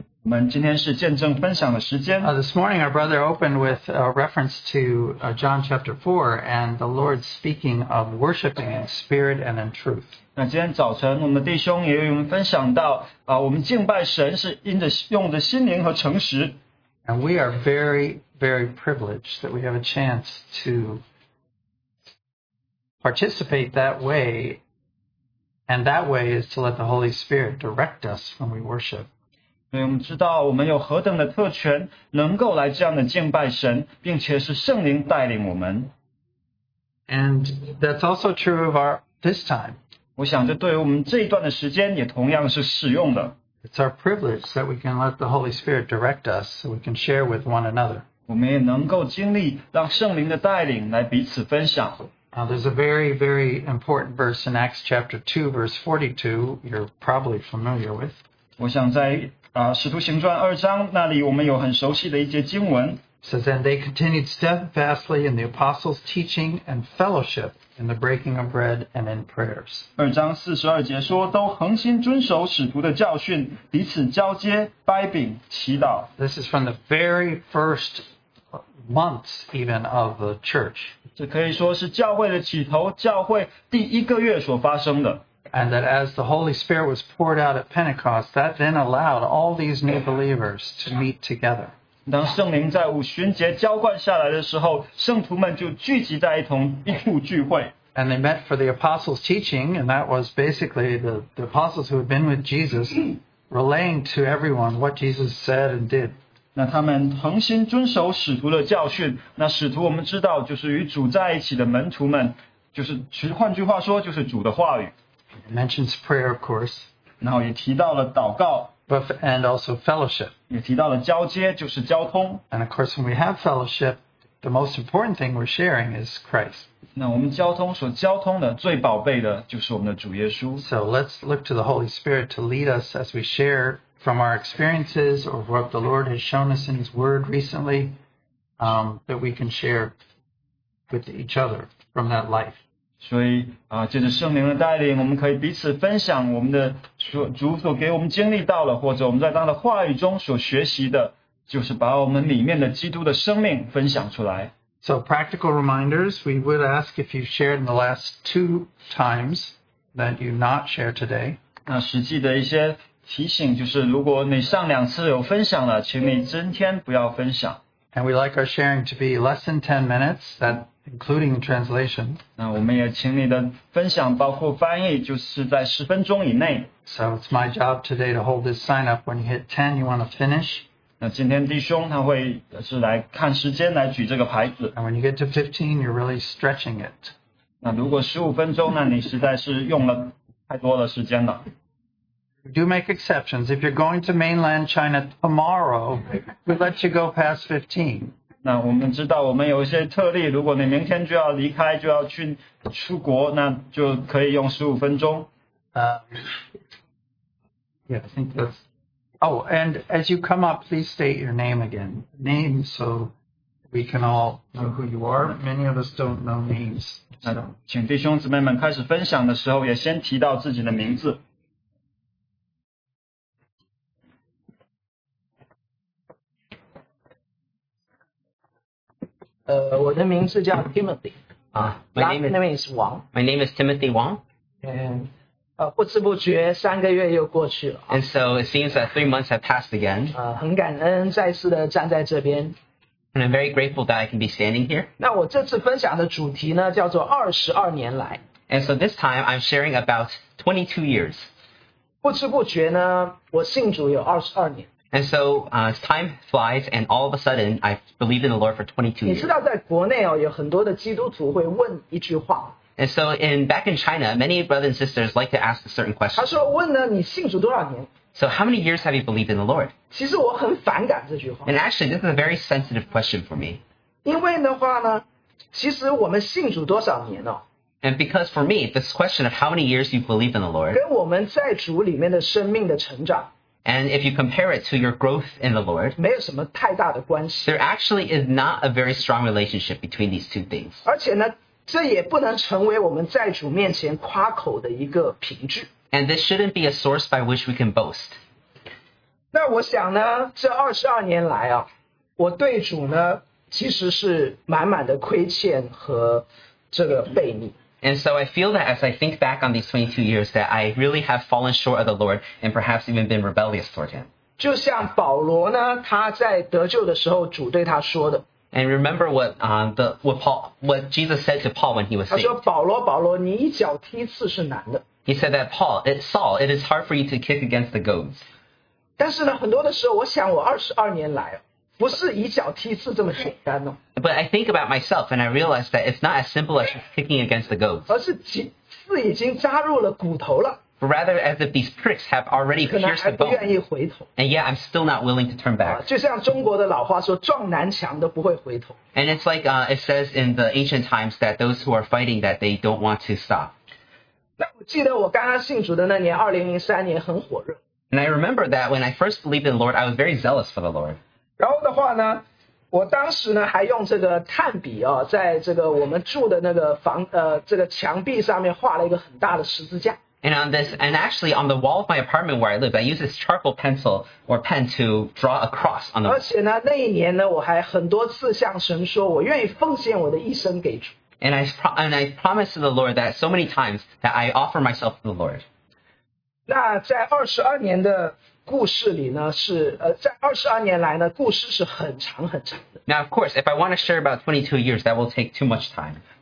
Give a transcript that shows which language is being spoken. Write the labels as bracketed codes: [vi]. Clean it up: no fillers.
[zh] 我们今天是见证分享的时间。 [en] This morning our brother opened with a reference to John chapter 4 and the Lord speaking of worshiping in spirit and in truth. [zh] 那今天早晨我们的弟兄也有分享到我们敬拜神是因着用着心灵和诚实。 [en] And we are very, very privileged that we have a chance to participate that way. And that way is to let the Holy Spirit direct us when we worship. [zh] 所以我们知道我们有何等的特权能够来这样的敬拜神并且是圣灵带领我们。 [en] And that's also true of our this time. [zh] 我想这对于我们这一段的时间也同样是适用的。 [en] It's our privilege that we can let the Holy Spirit direct us so we can share with one another. [zh] 我们也能够经历让圣灵的带领来彼此分享。 [en] Now there's a very, very important verse in Acts chapter 2 verse 42 you're probably familiar with. [zh] 我想在使徒行传二章那里我们有很熟悉的一节经文。 [en] Says, and they continued steadfastly in the apostles' teaching and fellowship in the breaking of bread and in prayers. [zh] 二章四十二节说都恒心遵守使徒的教训彼此交接掰饼祈祷。 [en] This is from the very first months even of the church. [zh] 这可以说是教会的起头教会第一个月所发生的。 [en] And that as the Holy Spirit was poured out at Pentecost, that then allowed all these new believers to meet together. [zh] 当圣灵在五旬节浇灌下来的时候，圣徒们就聚集在一同，一处聚会。 [en] And they met for the apostles' teaching, and that was basically the apostles who had been with Jesus relaying to everyone what Jesus said and did. [zh] 那他们恒心遵守使徒的教训，那使徒我们知道就是与主在一起的门徒们，就是换句话说就是主的话语。 [en] It mentions prayer, of course. [zh] 然后也提到了祷告 [en] but, and also fellowship. [zh] 也提到了交接就是交通 [en] And of course, when we have fellowship, the most important thing we're sharing is Christ. [zh] 那我们交通所交通的最宝贝的就是我们的主耶稣 [en] So let's look to the Holy Spirit to lead us as we share from our experiences or what the Lord has shown us in His Word recently, that we can share with each other from that life. [zh] 所以借着圣灵的带领我们可以彼此分享我们的主所给我们经历到了或者我们在他的话语中所学习的就是把我们里面的基督的生命分享出来。 [en] So practical reminders, we would ask if you've shared in the last two times that you not share today. [zh] 那实际的一些提醒就是如果你上两次有分享了请你今天不要分享。 [en] And we like our sharing to be less than 10 minutes, that including translation. [zh] 那我们也请你的分享包括翻译就是在十分钟以内。 [en] So it's my job today to hold this sign up. When you hit 10, you want to finish. [zh] 那今天弟兄他会是来看时间来举这个牌子。 [en] And when you get to 15, you're really stretching it. [zh] 那如果15分钟那你实在是用了太多的时间了。 [en] do make exceptions. If you're going to mainland China tomorrow, we let you go past 15. [zh] 那我们知道我们有一些特例，如果你明天就要离开，就要去出国，那就可以用15分钟。 [en] Yeah, I think that's... Oh, and as you come up, please state your name again. Name, so we can all know who you are. Many of us don't know names. So. [zh] 请弟兄姊妹们开始分享的时候也先提到自己的名字。我的名字叫 Timothy. [en] My name is Wang. My name is Timothy Wang. And so it seems that 3 months have passed again. [zh] 很感恩再次的站在这边。 [en] And I'm very grateful that I can be standing here. [zh] 那我这次分享的主题呢, 叫做22年来。 [en] And so this time I'm sharing about 22 years. [zh] 不知不觉呢, 我信主有22年。 [en] And so time flies, and all of a sudden, I believe in the Lord for 22 years. And so back in China, many brothers and sisters like to ask a certain question. [zh] 他说问呢,你信主多少年? [en] So how many years have you believed in the Lord? [zh] 其实我很反感这句话。 [en] And actually, this is a very sensitive question for me. [zh] 因为的话呢,其实我们信主多少年哦, [en] And because for me, this question of how many years you believe in the Lord, [zh] 跟我们在主里面的生命的成长, [en] And if you compare it to your growth in the Lord, [zh] 没有什么太大的关系, [en] there actually is not a very strong relationship between these two things. [zh] 而且呢, 这也不能成为我们在主面前夸口的一个凭据。 [en] And this shouldn't be a source by which we can boast. [zh] 那我想呢, 这22年来啊, 我对主呢, 其实是满满的亏欠和这个悖逆。 [en] And so I feel that as I think back on these 22 years that I really have fallen short of the Lord and perhaps even been rebellious toward Him. [zh] 就像保罗呢, 他在得救的时候, 主对他说的, [en] and remember what Jesus said to Paul when he was saved. [zh] 他说,保罗,保罗, 你一脚踢刺是难的。 [en] He said that Saul, it is hard for you to kick against the goads. [zh] 但是呢, 很多的时候, 我想我22年来, 不是以脚踢刺这么简单哦。 [en] But I think about myself and I realize that it's not as simple as kicking against the goats. [zh] 而是刺已经扎入了骨头了。 [en] But rather as if these pricks have already pierced the bone. And yet I'm still not willing to turn back. [zh] 就像中国的老话说, 撞南墙的不会回头。 [en] And it's like it says in the ancient times that those who are fighting that they don't want to stop. [zh] 那我记得我刚刚信主的那年, 2003年, 很火热。 [en] And I remember that when I first believed in the Lord, I was very zealous for the Lord. [zh] 然后的话呢, 我当时呢, 还用这个炭笔哦, 在这个我们住的那个房, 这个墙壁上面画了一个很大的十字架。 [en] And on this, and actually on the wall of my apartment where I live, I use this charcoal pencil or pen to draw a cross on the wall. [zh] 而且呢, 那一年呢, 我还很多次向神说, 我愿意奉献我的一生给主。 [en] And I promised to the Lord that so many times that I offer myself to the Lord. [zh] 那在22年的 故事里呢,是,在22年来呢,故事是很长很长的。 [en] Now, of course, if I want to share about 22 years, that will take too much time.